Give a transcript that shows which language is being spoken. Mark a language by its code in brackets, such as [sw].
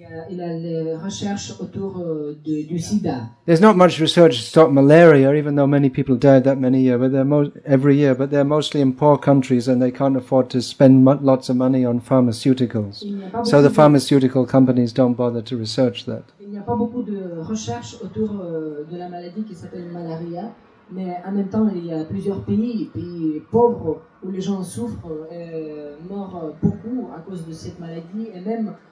[fr] Il y a les recherches autour du sida. [en] There's not much research to stop malaria, even though many people die that many years, but they're mostly in poor countries and they can't afford to spend lots of money on pharmaceuticals. So the pharmaceutical companies don't bother to research that. [fr] Il n'y a pas beaucoup de recherches autour de la maladie qui s'appelle malaria, mais en même temps, il y a plusieurs pays pauvres, où les gens souffrent et meurent beaucoup à cause de cette maladie, et même...